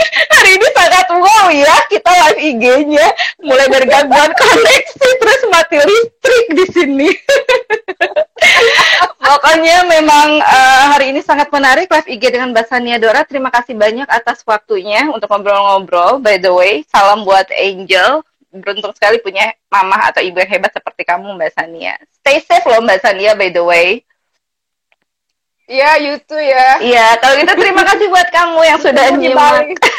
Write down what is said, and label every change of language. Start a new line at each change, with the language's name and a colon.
Indonesian: Hari ini sangat wow ya, kita live IG-nya mulai dari gangguan koneksi terus mati listrik di sini. Pokoknya memang hari ini sangat menarik live IG dengan Mbak Sania Dora. Terima kasih banyak atas waktunya untuk ngobrol-ngobrol.
English: By the way,
Indonesian: salam buat Angel. Beruntung sekali punya mama atau ibu yang hebat seperti kamu Mbak Sania.
English: Stay safe loh Mbak Sania by the way. Iya, yeah, you too ya.
Indonesian: Iya, kalau gitu terima kasih buat kamu yang sudah nyimak.